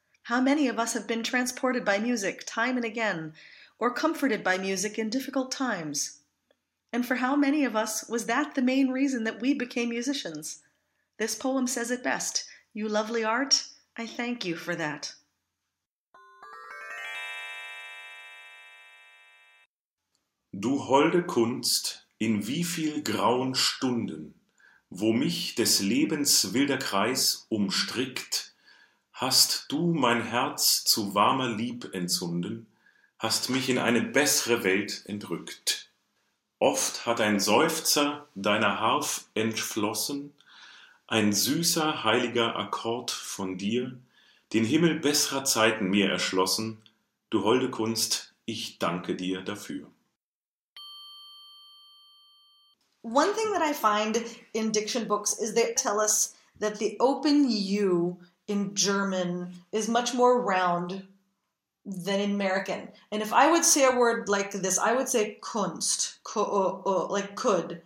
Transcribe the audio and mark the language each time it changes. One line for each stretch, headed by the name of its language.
English: How many of us have been transported by music time and again, or comforted by music in difficult times? And for how many of us was that the main reason that we became musicians? This poem says it best. You lovely art, I thank you for that.
German: Du holde Kunst, in wie viel grauen Stunden, wo mich des Lebens wilder Kreis umstrickt, hast du mein Herz zu warmer Lieb entzunden, hast mich in eine bessere Welt entrückt. Oft hat ein Seufzer deiner Harf entflossen, ein süßer, heiliger Akkord von dir, den Himmel besserer Zeiten mir erschlossen. Du holde Kunst, ich danke dir dafür.
English: One thing that I find in diction books is they tell us that the open U in German is much more round than in American. And if I would say a word like this, I would say Kunst, like could.